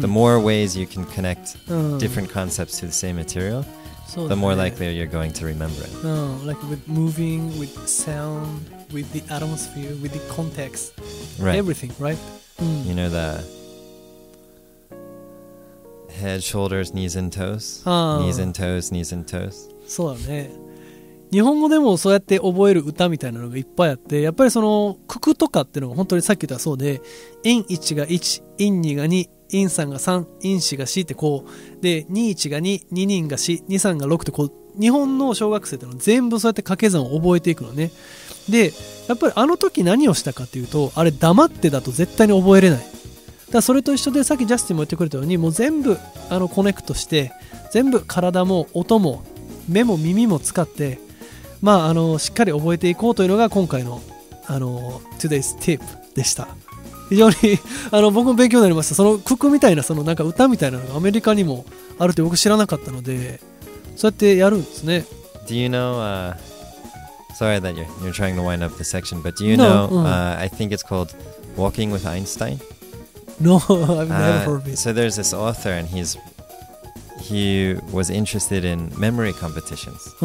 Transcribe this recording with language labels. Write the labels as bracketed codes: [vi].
[en] The more ways you can connect、different concepts to the same materialThe more likely you're going to remember it. Like with moving, with sound, with the atmosphere, with the context. Right. Everything, right?、 You know the head, shoulders, knees and toes? Knees and toes. [ja] そうだね。日本語でもそうやって覚える歌みたいなのがいっぱいあって、やっぱりそのククとかっていうのは本当にさっき言ったそうで、in1 が1、in2 が2、in3 が3、in4 が4ってこう、で、21が2、22が4、23が6ってこう、日本の小学生ってのは全部そうやって掛け算を覚えていくのね。で、やっぱりあの時何をしたかっていうと、あれ黙ってだと絶対に覚えれない。だからそれと一緒で、さっきジャスティンも言ってくれたように、もう全部コネクトして、全部体も音も目も耳も使って、まあしっかり覚えていこうというのが今回の、 [en] Today's Tip [ja] でした。非常に僕も勉強になりました。その曲みたいな、そのなんか歌みたいなのがアメリカにもあるって僕知らなかったので、そうやってやるんですね。 [en] Do you know, sorry that you're trying to wind up the section, but do you know, I think it's called Walking with Einstein? No, I've never heard of it. So there's this author and he was interested in memory competitions.